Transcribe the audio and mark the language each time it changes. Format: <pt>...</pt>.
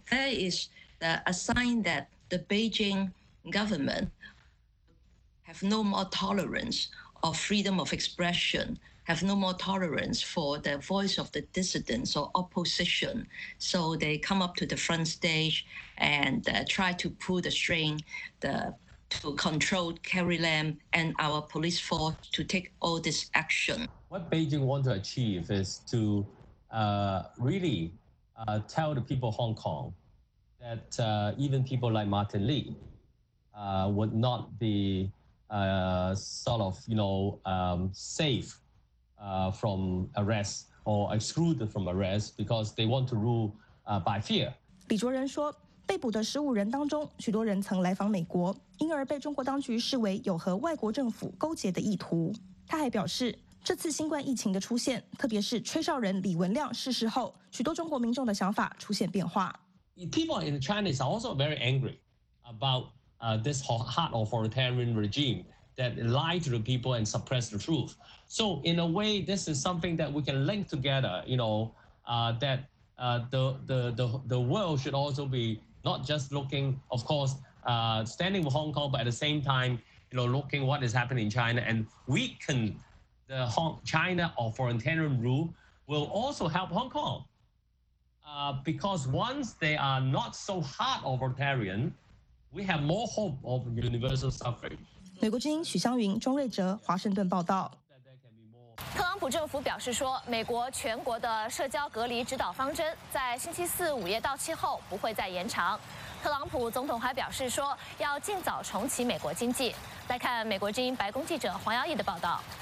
<en>There is a sign that the Beijing government have no more tolerance of freedom of expression, have no more tolerance for the voice of the dissidents or opposition. So they come up to the front stage and try to pull the string, to control Carrie Lam and our police force to take all this action. What Beijing want to achieve is to tell the people of Hong Kong that even people like Martin Lee would not be safe from arrest or excluded from arrest because they want to rule by fear.</en> <zh>李卓人说，被捕的十五人当中，许多人曾来访美国，因而被中国当局视为有和外国政府勾结的意图。他还表示，这次新冠疫情的出现，特别是吹哨人李文亮逝世后，许多中国民众的想法出现变化。</zh> <en>People in China are also very angry about this hard authoritarian regime that lied to the people and suppressed the truth. So in a way, this is something that we can link together. You know, that. The world should also be not just looking, of course, standing with Hong Kong, but at the same time, you know, looking what is happening in China and weaken the China authoritarian rule will also help Hong Kong. Because once they are not so hard authoritarian, we have more hope of universal suffrage.</en> <zh>美国之音许湘云、钟瑞哲华盛顿报道。特朗普政府表示说，美国全国的社交隔离指导方针在星期四午夜到期后不会再延长。特朗普总统还表示说，要尽早重启美国经济。来看美国之音白宫记者黄瑶毅的报道。</zh>